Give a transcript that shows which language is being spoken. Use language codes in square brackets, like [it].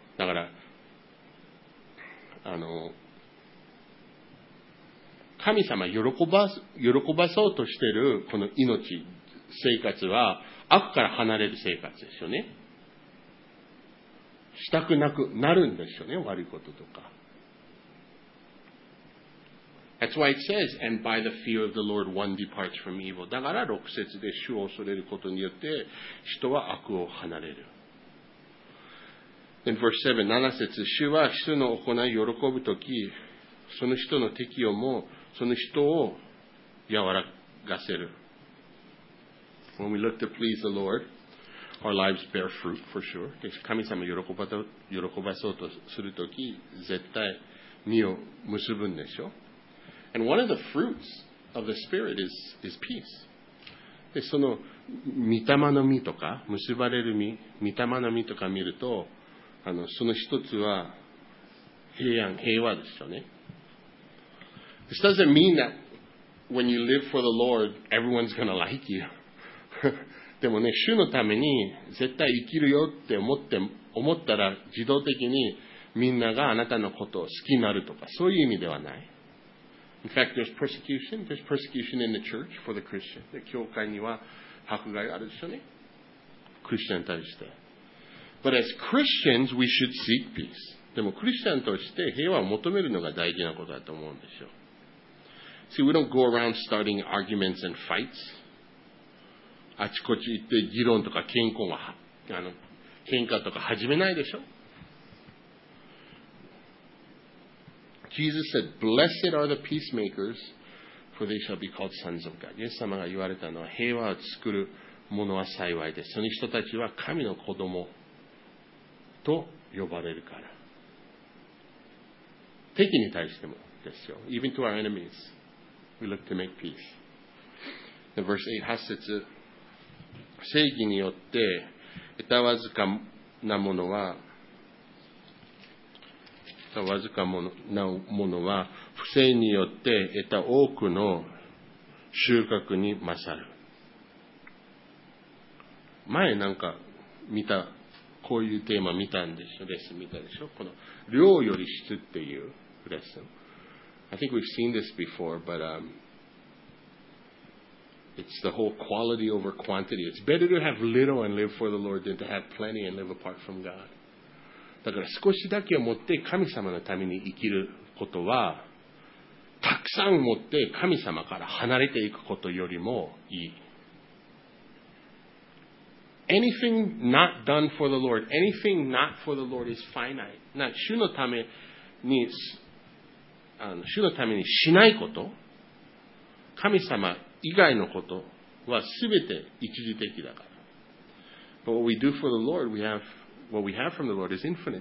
[ja] だから、神様喜ばそうとしているこの命生活は悪から離れる生活ですよね。したくなくなるんですよね、悪いこととか。 [en] That's why it says, and by the fear of the Lord one departs from evil. [ja] だから6節で主を恐れることによって人は悪を離れる。 [en] In verse 7, 7節、 [ja] 主は主の行いを喜ぶとき、その人の敵をもその人を和らがせる。 [en] When we look to please the Lord, our lives bear fruit, for sure. [ja] 神様を喜ばそうとするとき、絶対実を結ぶんでしょ。 [en] And one of the fruits of the Spirit is peace. [ja] で、その御霊の実とか、結ばれる実、御霊の実とか見ると、その一つは平安、平和ですよね。 [en] This doesn't mean that when you live for the Lord, everyone's going to like you. [ja] でもね、主のために絶対生きるよって思ったら、自動的にみんながあなたのことを好きになるとか、そういう意味ではない。 [en] In fact, there's persecution. There's persecution in the church for the Christian. [ja] で、教会には迫害があるでしょうね。クリスチャンに対して。 [en] But as Christians, we should seek peace. [ja] でも、クリスチャンとして平和を求めるのが大事なことだと思うんですよ。 [en] See, we don't go around starting arguments and fights. [ja] あちこち行って議論とか喧嘩とか始めないでしょ。 [en] Jesus said, Blessed are the peacemakers, for they shall be called sons of God. [ja] イエス様が言われたのは、平和を作る者は幸いです。その人たちは神の子供と呼ばれるから。敵に対してもですよ。 [en] Even to our enemies. We look to make peace. The verse 8, 8節。 [ja] 正義によって、得たわずかなものは、得たわずかなものは、不正によって得た多くの収穫に勝る。前なんか見た、こういうテーマ見たんでしょ、レッスン見たでしょ。この、量より質っていうレッスン。 [en] I think we've seen this before, but it's the whole quality over quantity. It's better to have little and live for the Lord than to have plenty and live apart from God. [ja] だから少しだけを持って神様のために生きることは、たくさん持って神様から離れていくことよりもいい。 [en] Anything not done for the Lord, anything not for the Lord is finite. [ja] な、主のために主のためにしないこと、神様以外のことはすべて一時的だから。 [en] But what we do for the Lord, what we have from the Lord is infinite.